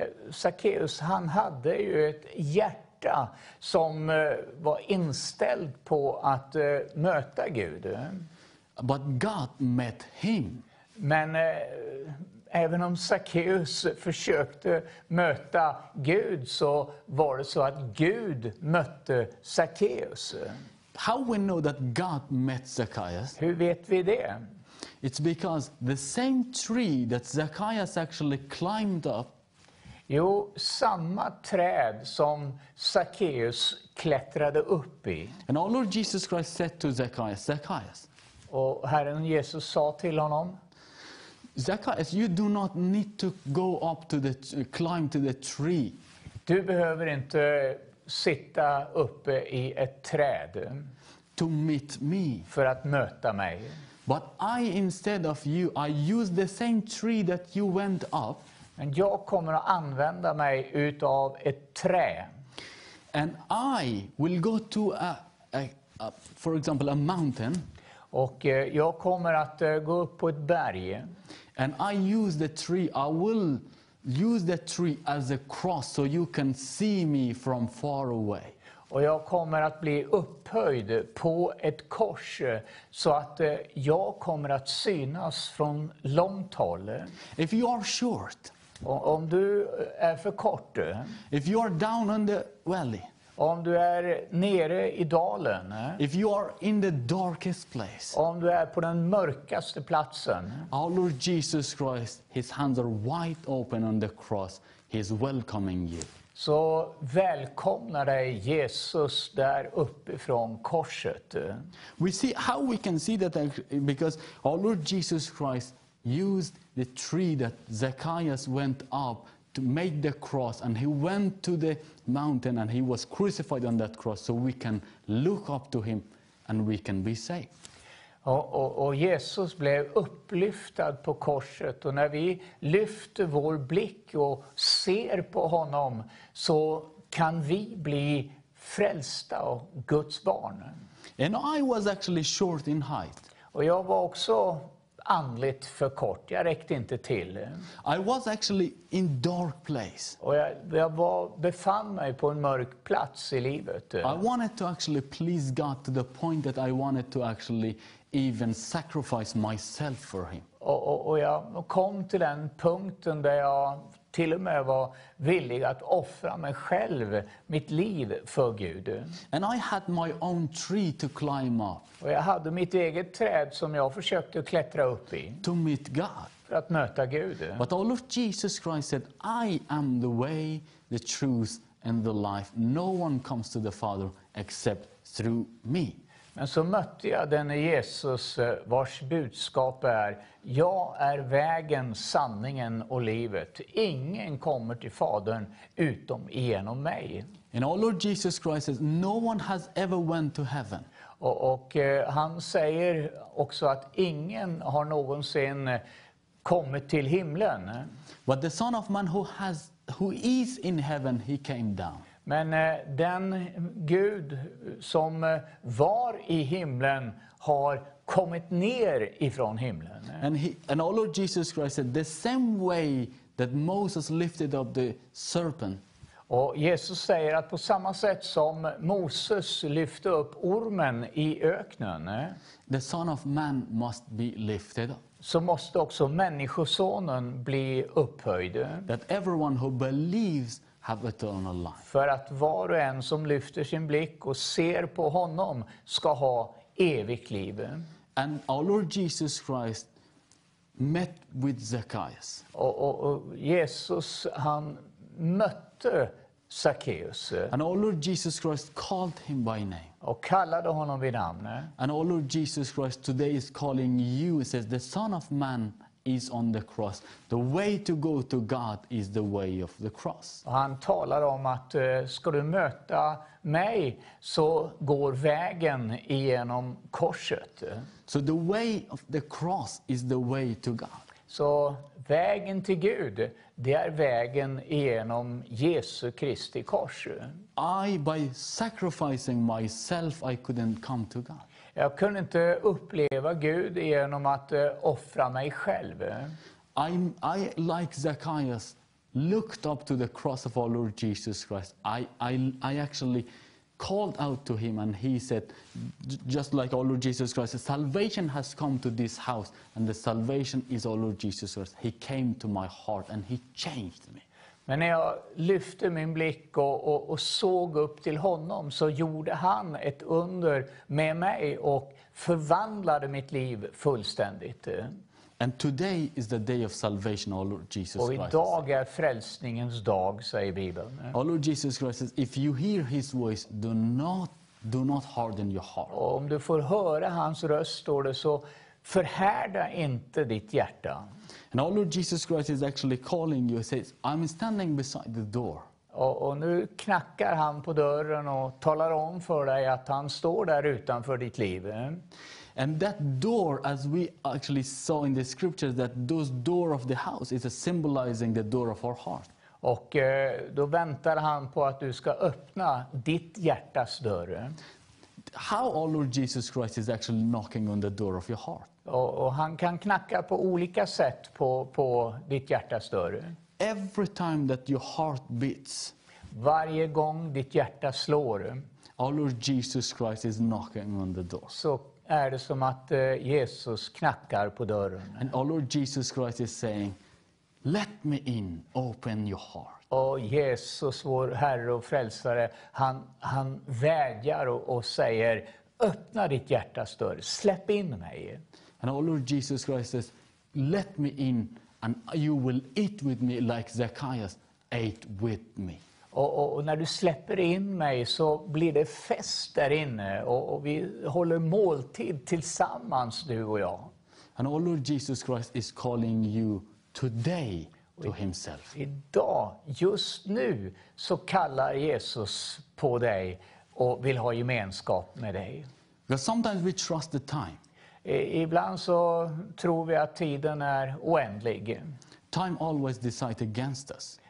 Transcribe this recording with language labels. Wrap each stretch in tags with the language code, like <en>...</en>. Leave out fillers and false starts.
<sv>Zacchaeus, han hade ju ett hjärta som var inställd på att möta Gud.</sv> <en>But God met him.</en> <sv>Men även om Zacchaeus försökte möta Gud, så var det så att Gud mötte Zacchaeus.</sv> <en>How we know that God met Zacchaeus?</en> <sv>Hur vet vi det?</sv> <en>It's because the same tree that Zacchaeus actually climbed up.</en> <sv>Jo, samma träd som Zacchaeus klättrade upp i.</sv> <en>And our Lord Jesus Christ said to Zacchaeus, Zacchaeus.</en> <sv>Och Herren Jesus sa till honom.</sv> <en>Zacchaeus, you do not need to go up to the climb to the tree.</en> <sv>Du behöver inte sitta uppe i ett träd.</sv> <en>To meet me.</en> <sv>För att möta mig.</sv> <en>But I, instead of you, I use the same tree that you went up.</en> <sv>Men jag kommer att använda mig utav ett trä.</sv> <en>And I will go to a for example, a mountain.</en> <sv>Och jag kommer att gå upp på ett berg.</sv> <en>And I use the tree. I will use the tree as a cross so you can see me from far away.</en> <sv>Och jag kommer att bli upphöjd på ett kors så att jag kommer att synas från långt håll.</sv> <en>If you are short.</en> <sv>Om du är för kort.</sv> <en>If you are down in the valley.</en> <sv>Om du är nere i dalen.</sv> <en>If you are in the darkest place.</en> <sv>Om du är på den mörkaste platsen.</sv> <en>Our Lord Jesus Christ, his hands are wide open on the cross. He is welcoming you.</en> <sv>Så välkomnar dig Jesus där uppifrån korset.</sv> <en>We see how we can see that because our Lord Jesus Christ used the tree that Zacchaeus went up to make the cross, and he went to the mountain and he was crucified on that cross, so we can look up to him and we can be saved.</en> <sv>Och Jesus blev upplyftad på korset, och när vi lyfter vår blick och ser på honom så kan vi bli frälsta och Guds barn.</sv> <en>And I was actually short in height.</en> <sv>Och jag var också andligt för kort. Jag räckte inte till.</sv> <en>I was actually in dark place.</en> <sv>Och jag var befann mig på en mörk plats i livet.</sv> <en>I wanted to actually please God to the point that I wanted to actually even sacrifice myself for him.</en> <sv>Och jag kom till den punkten där jag till och med var villig att offra mig själv, mitt liv, för Gud.</sv> <en>And I had my own tree to climb up.</en> <sv>Och jag hade mitt eget träd som jag försökte klättra upp i.</sv> <en>To meet God.</en> <sv>För att möta Gud.</sv> <en>But our Lord Jesus Christ said, I am the way, the truth and the life. No one comes to the Father except through me.</en> <sv>Men så mötte jag denne Jesus vars budskap är, jag är vägen, sanningen och livet. Ingen kommer till Fadern utom genom mig.</sv> <en>And our Lord Jesus Christ says, no one has ever went to heaven.</en> <sv>Och han säger också att ingen har någonsin kommit till himlen.</sv> <en>But the Son of Man who is in heaven, he came down.</en> <sv>Men den Gud som var i himlen har kommit ner ifrån himlen.</sv> <en>And our Lord Jesus Christ said, the same way that Moses lifted up the serpent.</en> <sv>Och Jesus säger att på samma sätt som Moses lyfte upp ormen i öknen.</sv> <en>The Son of Man must be lifted up.</en> <sv>Så måste också människosonen bli upphöjd.</sv> <en>That everyone who believes have eternal life.</en> <sv>För att var och en som lyfter sin blick och ser på honom ska ha evigt liv.</sv> <en>And our Lord Jesus Christ met with Zacchaeus.</en> <sv>Och Jesus, han mötte Zacchaeus.</sv> <en>And our Lord Jesus Christ called him by name.</en> <sv>Och kallade honom vid namn.</sv> <en>And our Lord Jesus Christ today is calling you. He says, the Son of Man is on the cross. The way to go to God is the way of the cross.</en> <sv>Han talar om att ska du möta mig så går vägen igenom korset.</sv> <en>So the way of the cross is the way to God.</en> <sv>Så vägen till Gud, det är vägen igenom Jesu Kristi kors.</sv> <en>I, by sacrificing myself, I couldn't come to God.</en> <sv>Jag kunde inte uppleva Gud genom att offra mig själv.</sv> <en>I like Zacchaeus, looked up to the cross of our Lord Jesus Christ. I actually called out to him and he said, just like our Lord Jesus Christ, salvation has come to this house and the salvation is our Lord Jesus Christ. He came to my heart and he changed me.</en> <sv>Men när jag lyfte min blick och såg upp till honom, så gjorde han ett under med mig och förvandlade mitt liv fullständigt.</sv> <en>And today is the day of salvation, our Lord Jesus Christ.</en> <sv>Och idag är frälsningens dag, säger Bibeln.</sv> <en>Our Lord Jesus Christ says, if you hear his voice, do not harden your heart.</en> <sv>Och om du får höra hans röst, står det, så förhärda inte ditt hjärta.</sv> <en>And our Lord Jesus Christ is actually calling you and says, I'm standing beside the door.</en> <sv>Och nu knackar han på dörren och talar om för dig att han står där utanför ditt liv.</sv> <en>And that door, as we actually saw in the scriptures, that those door of the house is a symbolizing the door of our heart.</en> <sv>Och då väntar han på att du ska öppna ditt hjärtas dörr.</sv> <en>How our Lord Jesus Christ is actually knocking on the door of your heart.</en> <sv>Och han kan knacka på olika sätt på ditt hjärtas dörr.</sv> <en>Every time that your heart beats.</en> <sv>Varje gång ditt hjärta slår.</sv> <en>Our Lord Jesus Christ is knocking on the door.</en> <sv>Så är det som att Jesus knackar på dörren.</sv> <en>And our Lord Jesus Christ is saying, let me in, open your heart.</en> <sv>Och Jesus, vår Herre och Frälsare, han vädjar och säger, öppna ditt hjärtas dörr, släpp in mig.</sv> <en>And our Lord Jesus Christ says, let me in and you will eat with me like Zacchaeus ate with me.</en> <sv>Och när du släpper in mig, så blir det fest där inne och vi håller måltid tillsammans, du och jag.</sv> <en>And our Lord Jesus Christ is calling you today to himself.</en> <sv>Idag, just nu, så kallar Jesus på dig och vill ha gemenskap med dig.</sv> <en>Because sometimes we trust the time.</en> <sv>Ibland så tror vi att tiden är oändlig.</sv> <en>Time always decides against us.</en>